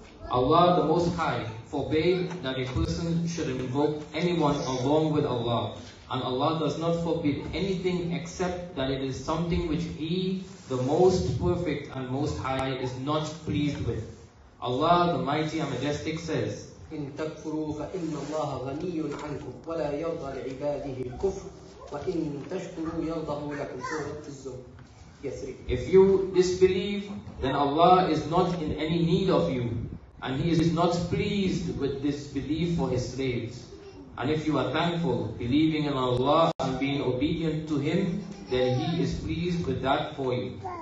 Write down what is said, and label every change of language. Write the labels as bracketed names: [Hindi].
[English] Allah the Most High forbade that a person should invoke anyone along with Allah. And Allah does not forbid anything except that it is something which He, the Most Perfect and Most High, is not pleased with. Allah the Mighty and Majestic says, [Arabic] إن تكفروا فإن الله غني عنكم ولا يرضى لعباده الكفر وإن تشكروا يرضه لكم. سورة الزمر. Yes, [English] if you disbelieve, then Allah is not in any need of you, and He is not pleased with disbelief for His slaves. And if you are thankful, believing in Allah and being obedient to Him, then He is pleased with that for you.